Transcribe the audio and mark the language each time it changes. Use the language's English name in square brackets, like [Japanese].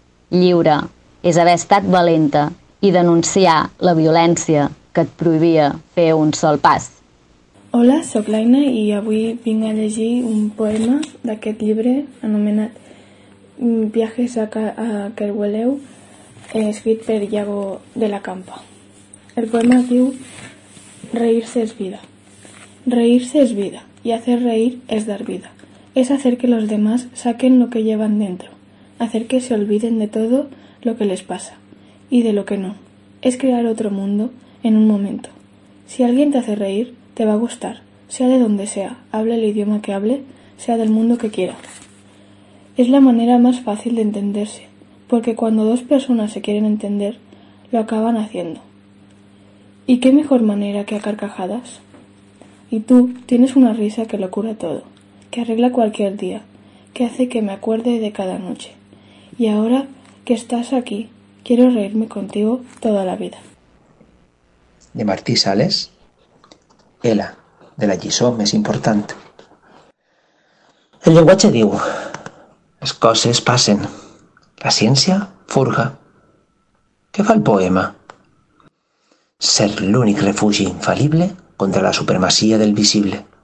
[Catalan] Lliure és haver estat valenta i denunciar la violència que et prohibia fer un sol pas. Hola, sóc l'Aina i avui vinc a llegir un poema d'aquest llibre anomenat Viajes a Kerguelen, escrit per Iago de la Campa. El poema diu [Spanish] Reírse es vida. Reírse es vida, y hacer reír es dar vida. Es hacer que los demás saquen lo que llevan dentro. Hacer que se olviden de todo lo que les pasa, y de lo que no. Es crear otro mundo en un momento. Si alguien te hace reír, te va a gustar, sea de donde sea, hable el idioma que hable, sea del mundo que quiera. Es la manera más fácil de entenderse, porque cuando dos personas se quieren entender, lo acaban haciendo. ¿Y qué mejor manera que a carcajadas? Y tú tienes una risa que lo cura todo, que arregla cualquier día, que hace que me acuerde de cada noche. Y ahora que estás aquí, quiero reírme contigo toda la vida. [Catalan] De Martí Sales, Ela, de la Lliçó més important. El llenguatge diu: les coses passen, la ciència furga. Què fa el poema? ser l'únic refugi infal·lible contra la supremacia del visible.